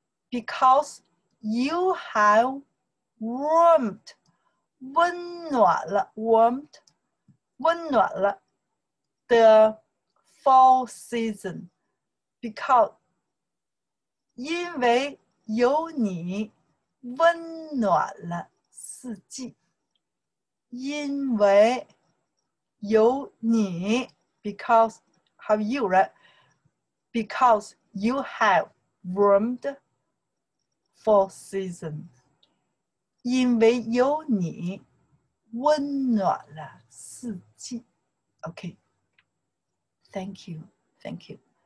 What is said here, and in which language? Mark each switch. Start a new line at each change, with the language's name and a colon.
English: Because you have warmed,
Chinese: 温暖了,
English: warmed, 温暖了, the fall season. Because,
Chinese: 因为有你, 温暖了四季. 因为有你,
English: because, have you, right? Because you have warmed, for season.
Chinese: 因为有你, 温暖了四季.
English: Okay. Thank you. Thank you.